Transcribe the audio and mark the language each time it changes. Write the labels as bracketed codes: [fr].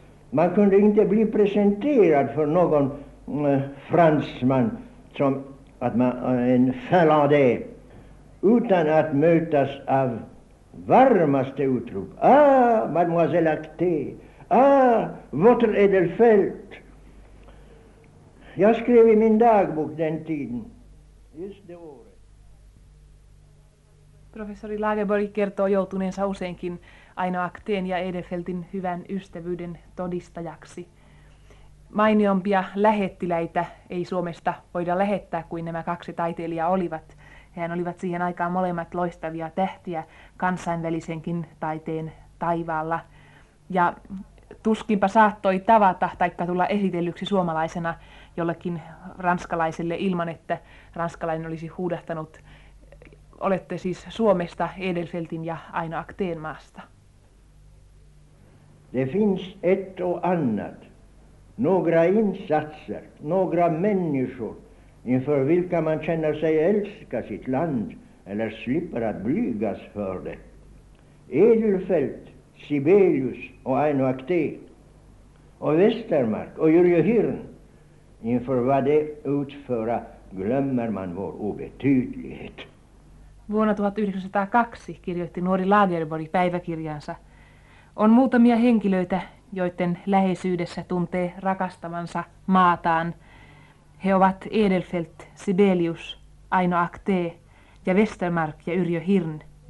[sv] Man kunde inte bli presenterad för någon fransman som att man en Finlandais utan att mötas av varmaste utrop. [fr] Ah, mademoiselle Acté! Ah, votre Edelfelt! [sv] Jag skrev i min dagbok den tiden. Just det året. [fi] Professori Lagerborg kertoo joutuneensa useinkin Aino Akteen ja Edelfeltin hyvän ystävyyden todistajaksi. Mainiompia lähettiläitä ei Suomesta voida lähettää kuin nämä kaksi taiteilijaa olivat. Hehän olivat siihen aikaan molemmat loistavia tähtiä kansainvälisenkin taiteen taivaalla. Ja tuskinpa saattoi tavata taikka tulla esitellyksi suomalaisena jollekin ranskalaiselle ilman, että ranskalainen olisi huudahtanut. Olette siis Suomesta, Edelfeltin ja Aino Akteen maasta. [sv] Det finns ett och annat. Några insatser, några människor. Inför vilka man känner sig älska sitt land eller slipper att blygas för det. Edelfelt, Sibelius och Aino Akté. Och Westermark och Jurje Hirn. Inför vad det utföra glömmer man vår obetydlighet. [fi] Vuonna 1902 kirjoitti nuori Lagerborg päiväkirjansa. On muutamia henkilöitä, joiden läheisyydessä tuntee rakastavansa maataan. He ovat Edelfelt, Sibelius, Aino Akté ja Westermark ja Yrjö Hirn.